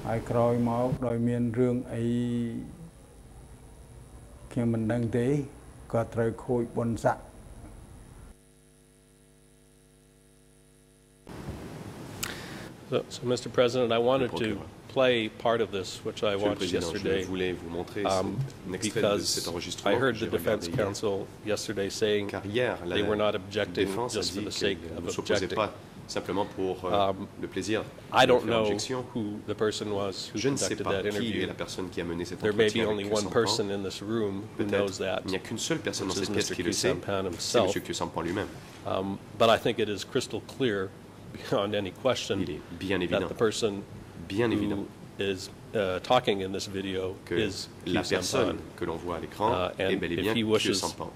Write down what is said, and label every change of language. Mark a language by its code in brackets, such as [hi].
[km] ខ្ញុំឈ្មោះខៀវសំផនឪពុកខ្ញុំឈ្មោះខៀវឡុងម្ដាយខ្ញុំឈ្មោះប៉ៅគួងឪពុកខ្ញុំគាត់ពីដើមមកក្នុងរបបអាណានិគមមុនដំបូងមកអស់គាត់ធ្វើជាចាងវាងសាលាដំបូងហើយក្រោយមកដោយមានរឿងអី [en] So, Mr. President, I wanted to play part of this, which I watched yesterday, because I heard the defense counsel yesterday saying they were not objecting just for the sake of objecting. [fr] Simplement pour le plaisir. [en] I don't know who the person was who [fr] je [en] conducted that interview. [fr] Qui est la personne qui a mené cet [en] there may be only one person in this room who knows that. [fr] Il n'y a qu'une seule personne dans cette pièce qui le sait. C'est M. QSEMPAN [en] himself. [fr] C'est M. QSEMPAN lui-même. [en] But I think it is crystal clear beyond any question that the person who is talking in this video is [fr] la personne que l'on voit à l'écran est bel et bien QSEMPAN.